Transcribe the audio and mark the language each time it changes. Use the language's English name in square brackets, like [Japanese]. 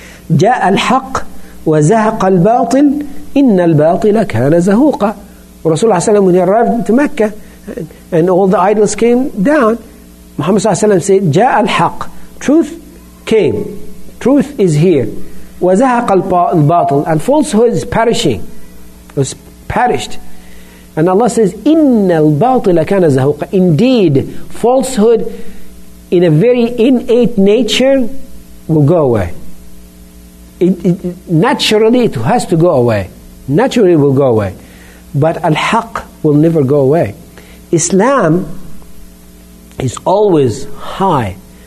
[Arabic] جَاءَ الْحَقِّ وَزَهَقَ الْبَاطِلِ إِنَّ الْبَاطِلَ كَانَ زَهُوقًا. [English] Rasulullah ﷺ, when he arrived to Mecca, and all the idols came down, Muhammad ﷺ said, [Arabic] جَاءَ الْحَقِّ. [English] Truth came. Truth is here. [Arabic] وَزَهَقَ الْبَاطِلِ. [English] And falsehood is perishing. It was perished. And Allah says, [Arabic] إِنَّ الْبَاطِلَ كَانَ زَهُوقًا. [English] Indeed, falsehood in a very innate nature will go away. It naturally, it has to go away. Naturally, it will go away. But al-haq will never go away. Islam is always high.